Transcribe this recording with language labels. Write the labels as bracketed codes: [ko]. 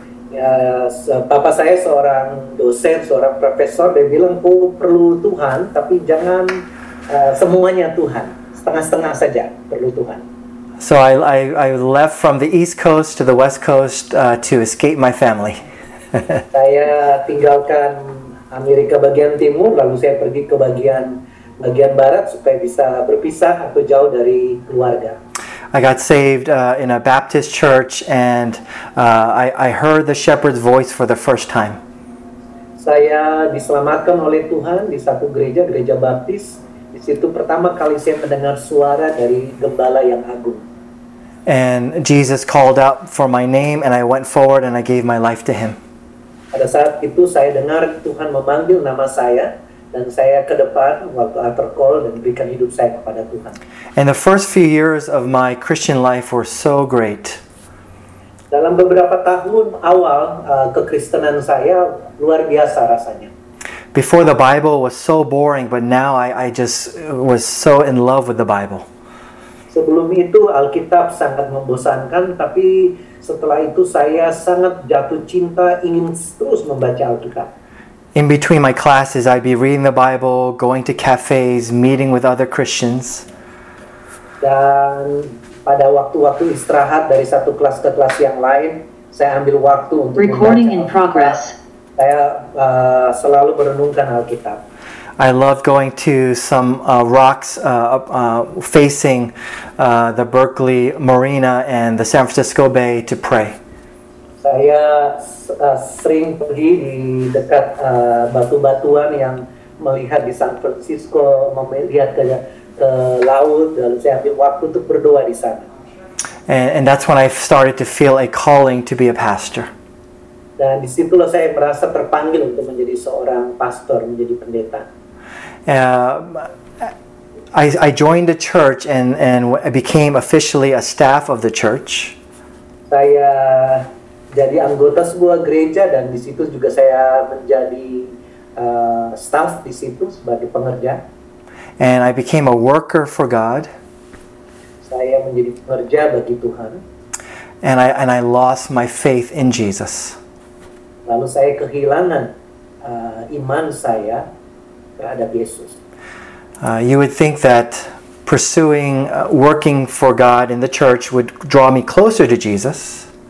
[id] Yes, papa saya seorang dosen, seorang profesor. Dia bilang, "Oh, perlu Tuhan, tapi jangan semuanya Tuhan. Setengah-setengah saja perlu Tuhan." [en] So I left from the East Coast to the West Coast to escape my family. [id] Saya tinggalkan Amerika bagian timur, lalu saya pergi ke bagian barat supaya bisa berpisah atau jauh dari keluarga. [en] I got saved in a Baptist church, and I heard the shepherd's voice for the first time. [id] Saya diselamatkan oleh Tuhan di satu gereja Baptis. Di situ pertama kali saya mendengar suara dari gembala yang agung. [en] And Jesus called out for my name, and I went forward and I gave my life to Him. [id] Pada saat itu saya dengar Tuhan memanggil nama saya. Dan saya ke depan waktu altar call dan berikan hidup saya kepada Tuhan. [en] And the first few years of my Christian life were so great. [id] Dalam beberapa tahun awal kekristenan saya luar biasa rasanya. [en] Before the Bible was so boring, but now I just was so in love with the Bible. [id] Sebelum itu Alkitab sangat membosankan, tapi setelah itu saya sangat jatuh cinta, ingin terus membaca Alkitab. [en] In between my classes, I'd be reading the Bible, going to cafes, meeting with other Christians. [id] Dan pada waktu-waktu istirahat dari satu kelas ke kelas yang lain, saya ambil waktu untuk [en] recording in progress. [id] Saya selalu merenungkan Alkitab. [en] I love going to some rocks facing the Berkeley Marina and the San Francisco Bay to pray. [id] Saya sering pergi di dekat batu-batuan yang melihat di San Francisco, melihat ke laut, dan saya ambil waktu untuk berdoa di sana. [en] And that's when I started to feel a calling to be a pastor. [id] Dan di situlah saya merasa terpanggil untuk menjadi seorang pastor, menjadi pendeta. [en] I joined the church and became officially a staff of the church. [id] Saya jadi anggota sebuah gereja dan di situ juga saya menjadi staff di situ sebagai pengerja. [en] And I became a worker for God. [id] Saya menjadi pekerja bagi Tuhan. [en] And I lost my faith in Jesus. [id] Lalu saya kehilangan iman saya terhadap Yesus. [en] You would think that pursuing working for God in the church would draw me closer to Jesus.